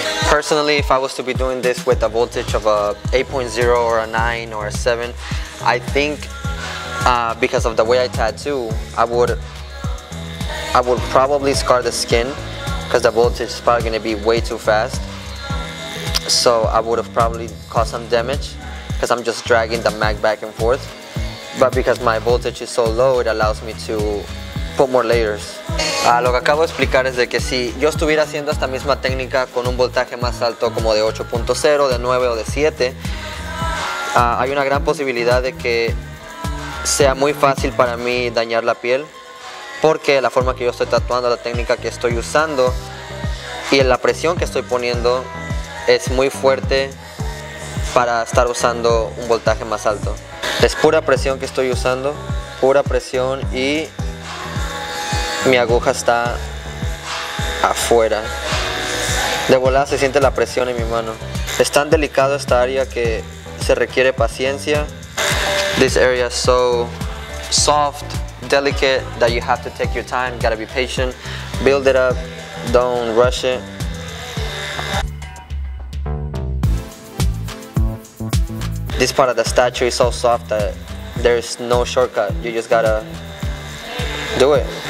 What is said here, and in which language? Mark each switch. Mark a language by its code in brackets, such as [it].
[en] Personally, if I was to be doing this with a voltage of a 8.0 or a 9 or a 7, I think because of the way I tattoo, I would probably scar the skin because the voltage is probably gonna be way too fast. So I would have probably caused some damage because I'm just dragging the mag back and forth. But because my voltage is so low, it allows me to put more layers. [es] Lo que acabo de explicar es de que si yo estuviera haciendo esta misma técnica con un voltaje más alto como de 8.0, de 9 o de 7, hay una gran posibilidad de que sea muy fácil para mí dañar la piel. Porque la forma que yo estoy tatuando, la técnica que estoy usando y la presión que estoy poniendo es muy fuerte para estar usando un voltaje más alto. Es pura presión que estoy usando, pura presión, y mi aguja está afuera. De volada se siente la presión en mi mano. Es tan delicado esta área que se requiere paciencia. [en] This area is so soft, delicate, that you have to take your time, gotta be patient, build it up, don't rush it. This part of the statue is so soft that there's no shortcut, you just gotta do it.